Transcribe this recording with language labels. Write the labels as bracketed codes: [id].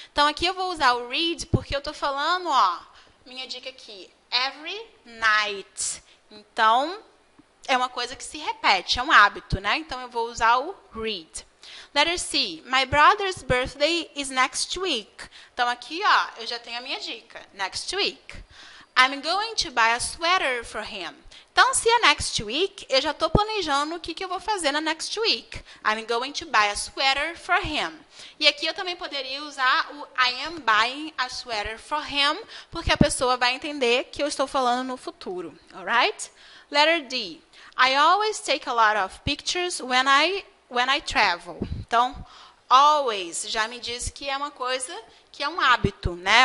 [pt] Então, aqui eu vou usar o read porque eu estou falando, ó. Minha dica aqui, [en] every night. [pt] Então, É uma coisa que se repete, é um hábito, né? Então eu vou usar o read. [en] Letter C. My brother's birthday is next week. [pt] Então aqui, ó, eu já tenho a minha dica. [en] Next week. I'm going to buy a sweater for him. [pt] Então, se é [en] next week, [pt] eu já estou planejando o que que eu vou fazer na next week. [en] I'm going to buy a sweater for him. [pt] E aqui eu também poderia usar o [en] I am buying a sweater for him, [pt] porque a pessoa vai entender que eu estou falando no futuro. [en] All right? Letter D. I always take a lot of pictures when I travel. [pt] Então, always já me diz que é uma coisa que é um hábito, né?